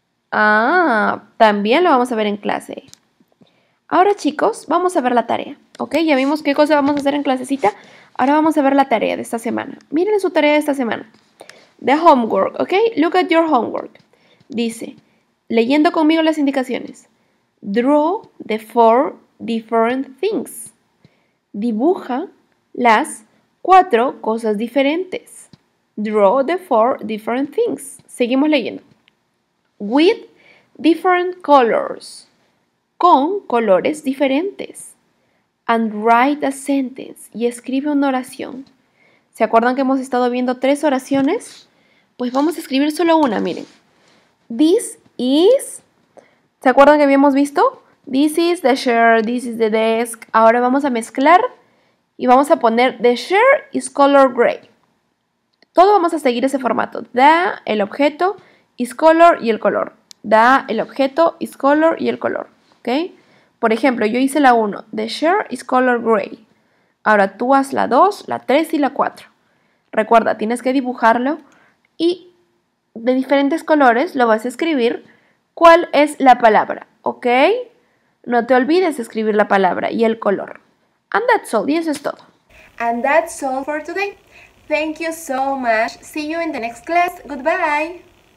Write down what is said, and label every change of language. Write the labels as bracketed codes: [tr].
[es] Ah, también lo vamos a ver en clase. Ahora, chicos, vamos a ver la tarea. ¿Ok? Ya vimos qué cosa vamos a hacer en clasecita. Ahora vamos a ver la tarea de esta semana. Miren su tarea de esta semana. [en] The homework, [es] ¿ok? [en] Look at your homework. [es] Dice, leyendo conmigo las indicaciones. [en] Draw the four different things. [es] Dibuja las cuatro cosas diferentes. [en] Draw the four different things. [es] Seguimos leyendo. [en] With different colors. [es] Con colores diferentes. [en] And write a sentence. [es] Y escribe una oración. ¿Se acuerdan que hemos estado viendo tres oraciones? Pues vamos a escribir solo una, miren. [en] This is... [es] ¿Se acuerdan que habíamos visto? [en] This is the chair, this is the desk. [es] Ahora vamos a mezclar y vamos a poner [en] the chair is color gray. [es] Todo vamos a seguir ese formato. The, el objeto, is color y el color. The, el objeto, is color y el color. ¿Ok? Por ejemplo, yo hice la 1. [en] The chair is color gray. [es] Ahora tú haz la 2, la 3 y la 4. Recuerda, tienes que dibujarlo. Y de diferentes colores lo vas a escribir. ¿Cuál es la palabra? ¿Ok? No te olvides de escribir la palabra y el color. [en] And that's all. [es] Y eso es todo. [en] And that's all for today. Thank you so much. See you in the next class. Goodbye.